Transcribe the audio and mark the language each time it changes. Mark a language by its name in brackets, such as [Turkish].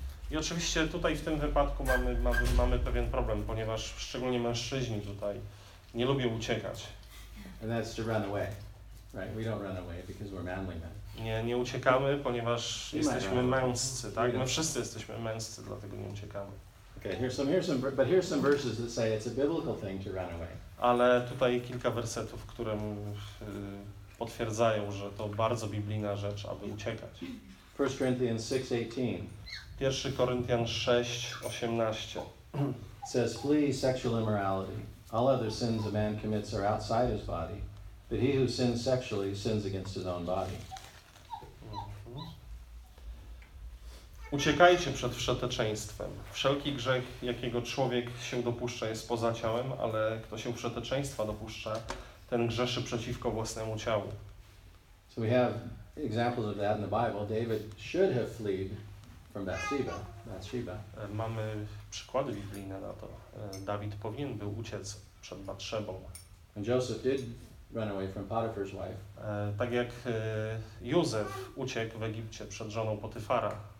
[Polish] I oczywiście tutaj w tym wypadku mamy pewien problem, ponieważ szczególnie mężczyźni tutaj nie lubią uciekać. [English] And that's to run away, right? We don't run away because we're manly men. [Polish] Nie uciekamy, ponieważ jesteśmy męscy, tak? My wszyscy jesteśmy męscy, dlatego nie uciekamy. [English] Okay, here's some verses that say it's a biblical thing to run away. [Polish] Ale tutaj kilka wersetów, które potwierdzają, że to bardzo biblijna rzecz, aby uciekać. [English] 1 Corinthians 6:18. 1 Corinthians 6:18. It says, flee sexual immorality. All other sins a man commits are outside his body, but he who sins sexually sins against his own body. [Polish] Uciekajcie przed wszeteczeństwem. Wszelki grzech, jakiego człowiek się dopuszcza, jest poza ciałem, ale kto się wszeteczeństwa dopuszcza, ten grzeszy przeciwko własnemu ciału. [English] So we have examples of that in the Bible. David should have fled from Bathsheba. [Polish] Mamy przykłady biblijne na to. Dawid powinien był uciec przed Batszebą. [English] And Joseph did run away from Potiphar's wife. [Polish] Tak jak Józef uciekł w Egipcie przed żoną Potyfara.